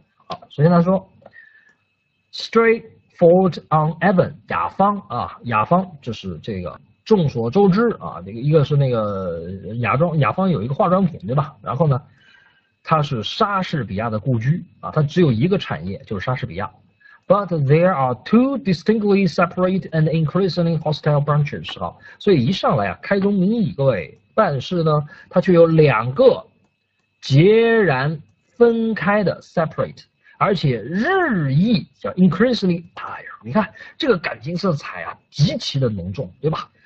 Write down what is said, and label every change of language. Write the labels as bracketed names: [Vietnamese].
[Chinese] 好，首先他说 ，straightforward on Evan 雅芳啊，雅芳就是这个众所周知啊，这个一个是那个雅妆，雅芳有一个化妆品对吧？然后呢，它是莎士比亚的故居啊，它只有一个产业就是莎士比亚。 [English] But there are two distinctly separate and increasingly hostile branches. [Chinese] 好，所以一上来啊，开宗明义，各位，但是呢，它却有两个截然分开的 separate， 而且日益叫 increasingly， 哎呀，你看这个感情色彩啊，极其的浓重，对吧？